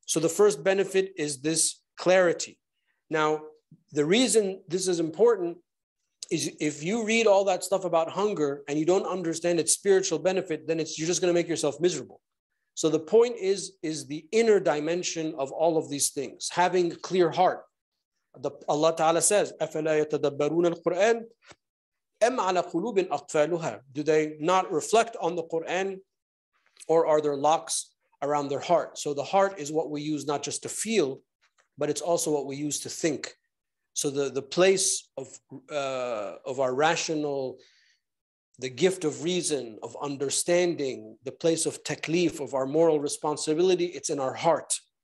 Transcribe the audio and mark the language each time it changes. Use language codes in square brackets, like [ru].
[en] So the first benefit is this clarity. Now, the reason this is important is if you read all that stuff about hunger and you don't understand its spiritual benefit, then you're just going to make yourself miserable. So the point is the inner dimension of all of these things, having a clear heart. Allah Ta'ala says, [ar] أَفَلَا يَتَدَبَّرُونَ الْقُرْآنَ أَمْ عَلَى قُلُوبٍ أَقْفَالُهَا. [en] Do they not reflect on the Qur'an, or are there locks around their heart? So the heart is what we use not just to feel, but it's also what we use to think. So the place of our rational, the gift of reason, of understanding, the place of taklif, of our moral responsibility, it's in our heart.